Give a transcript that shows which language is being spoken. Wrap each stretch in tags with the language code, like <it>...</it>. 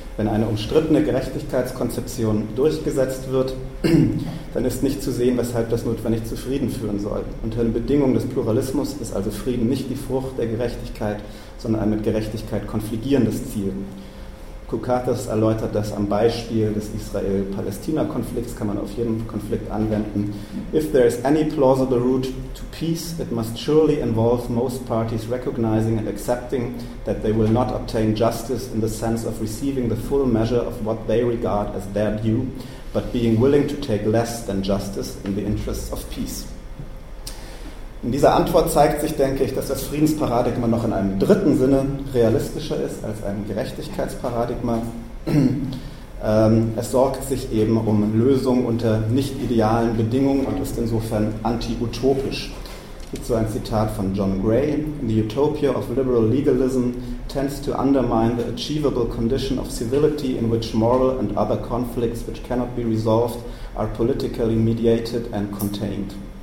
<de>Wenn eine umstrittene Gerechtigkeitskonzeption durchgesetzt wird, dann ist nicht zu sehen, weshalb das notwendig zu Frieden führen soll. Unter den Bedingungen des Pluralismus ist also Frieden nicht die Frucht der Gerechtigkeit, sondern ein mit Gerechtigkeit konfligierendes Ziel. Kukathis erläutert das am Beispiel des Israel-Palästina-Konflikts, kann man auf jeden Konflikt anwenden.</de> <en>If there is any plausible route to peace, it must surely involve most parties recognizing and accepting that they will not obtain justice in the sense of receiving the full measure of what they regard as their view, but being willing to take less than justice in the interests of peace.</en> <de>In dieser Antwort zeigt sich, denke ich, dass das Friedensparadigma noch in einem dritten Sinne realistischer ist als ein Gerechtigkeitsparadigma. Es sorgt sich eben um Lösungen unter nicht idealen Bedingungen und ist insofern anti-utopisch. Hierzu ein Zitat von John Gray:</de> <en>The utopia of liberal legalism tends to undermine the achievable condition of civility in which moral and other conflicts which cannot be resolved are politically mediated and contained.</en>